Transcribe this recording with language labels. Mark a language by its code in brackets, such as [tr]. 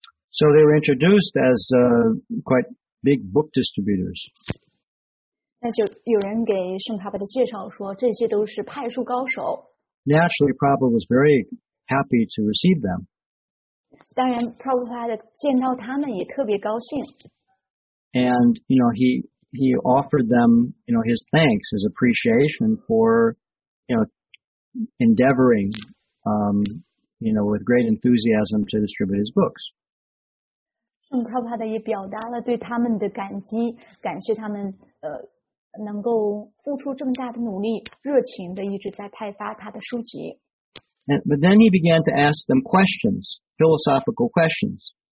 [en] So they were introduced as quite big book distributors. [zh] 那就有人给圣卡巴的介绍说，这些都是派书高手。 [en] Naturally, Prabhupada was very happy to receive them. [zh] 当然，Prabhupada见到他们也特别高兴。 [en] And, you know, he offered them, you know, his thanks, his appreciation for, you know, endeavoring, you know, with great enthusiasm to distribute his books. [zh] 圣卡巴的也表达了对他们的感激，感谢他们。能够付出这么大的努力，热情地一直在派发他的书籍。 [en] But then he began to ask them questions, philosophical questions.